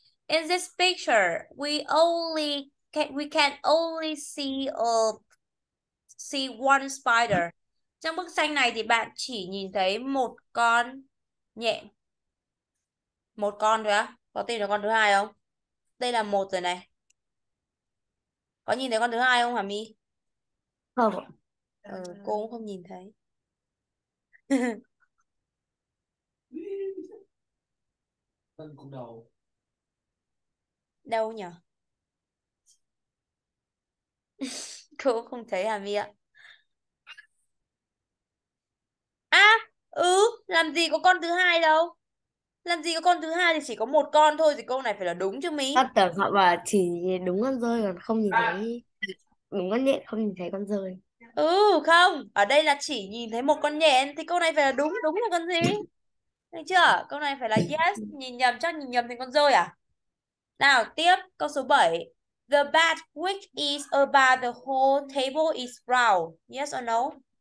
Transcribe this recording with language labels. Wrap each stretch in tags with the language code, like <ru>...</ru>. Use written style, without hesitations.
<en>In this picture, we can only see one spider.</en> <vi>Trong bức tranh này thì bạn chỉ nhìn thấy một con nhện. Một con thôi á. Có tìm được con thứ hai không? Đây là một rồi này. Có nhìn thấy con thứ hai không hả Mi? Không. Ừ, cô cũng không nhìn thấy. Tên cũng đầu. Đâu nhỉ? Cô cũng không thấy hả Mi ạ? Ừ, làm gì có con thứ hai đâu. Làm gì có con thứ hai thì chỉ có một con thôi. Thì câu này phải là đúng chứ Mi. Tưởng họ bảo chỉ đúng con rơi còn không nhìn thấy. Đúng con nhện không nhìn thấy con rơi. Ừ không, ở đây là chỉ nhìn thấy một con nhện thì câu này phải là đúng, đúng là con gì? Được chưa? Câu này phải là yes. Nhìn nhầm, chắc nhìn nhầm thì con rơi à? Nào, tiếp. Câu số 7.</vi> <en>The bed which is above the whole table is round. Yes or no?</en>